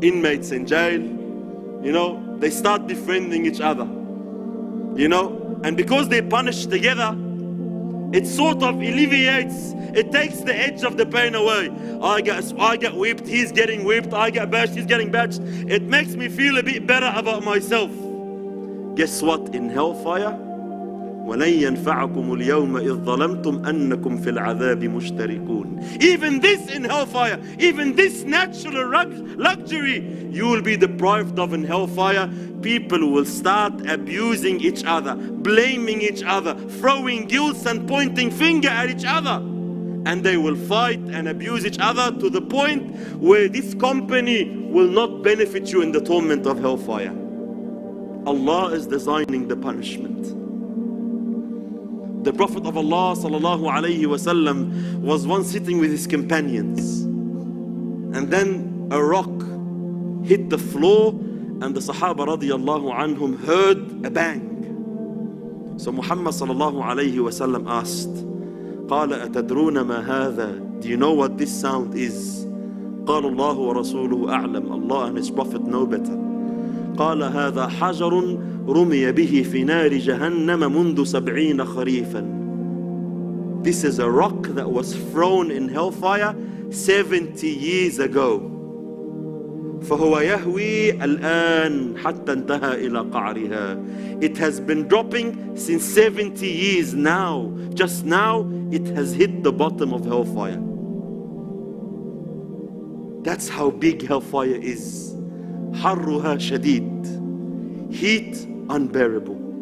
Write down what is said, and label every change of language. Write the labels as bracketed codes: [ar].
[en] Inmates in jail, you know, they start befriending each other, you know, and because they punish together, it sort of alleviates, it takes the edge of the pain away. I get whipped, he's getting whipped, I get bashed, he's getting bashed. It makes me feel a bit better about myself. Guess what? In hellfire, [ar] وَلَنْ يَنْفَعَكُمُ الْيَوْمَ إِذْ ظَلَمْتُمْ أَنَّكُمْ فِي الْعَذَابِ مُشْتَرِكُونَ. [en] Even this in hellfire, even this natural luxury you will be deprived of in hellfire, people will start abusing each other, blaming each other, throwing guilt and pointing finger at each other. And they will fight and abuse each other to the point where this company will not benefit you in the torment of hellfire. Allah is designing the punishment. The Prophet of Allah sallallahu alayhi wa sallam was once sitting with his companions, and then a rock hit the floor and the Sahaba radiyallahu anhum heard a bang. So Muhammad sallallahu alayhi wa sallam asked, [ar] قال أتدرون ما هذا? [en] Do you know what this sound is? [ar] قال الله ورسوله أعلم. [en] Allah and his Prophet know better. [ar] قال هذا حجر رمي به في نار جهنم منذ 70 خريفا. [en] This is a rock that was thrown in hellfire 70 years ago. [ar] فهو يهوي الآن حتى انتهى إلى قعرها. [en] It has been dropping since 70 years now. Just now, it has hit the bottom of hellfire. That's how big hellfire is. [ar] حَرُّهَا شَدِيد. [en] Heat unbearable.